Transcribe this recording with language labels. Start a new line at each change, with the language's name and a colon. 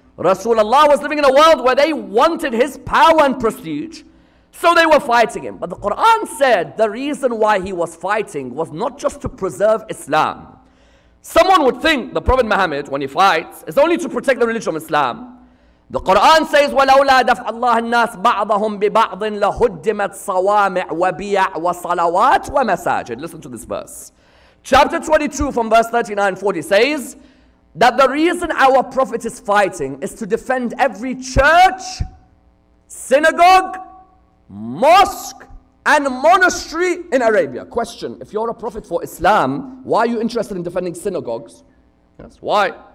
English: Rasulullah was living in a world where they wanted his power and prestige. So they were fighting him. But the Quran said the reason why he was fighting was not just to preserve Islam. Someone would think the Prophet Muhammad, when he fights, is only to protect the religion of Islam. The Quran says,
Arabic: وَلَوْلَا دَفْعَ اللَّهِ النَّاسِ بَعْضَهُمْ بِبَعْضٍ لَهُدِّمَتْ صَوَامِعْ وَبِيَعْ وَصَلَوَاتٍ وَمَسَاجِدٍ.
English: Listen to this verse. Chapter 22 from verse 39 and 40 says that the reason our Prophet is fighting is to defend every church, synagogue, mosque and monastery in Arabia. Question, if you're a prophet for Islam, why are you interested in defending synagogues? Yes, why?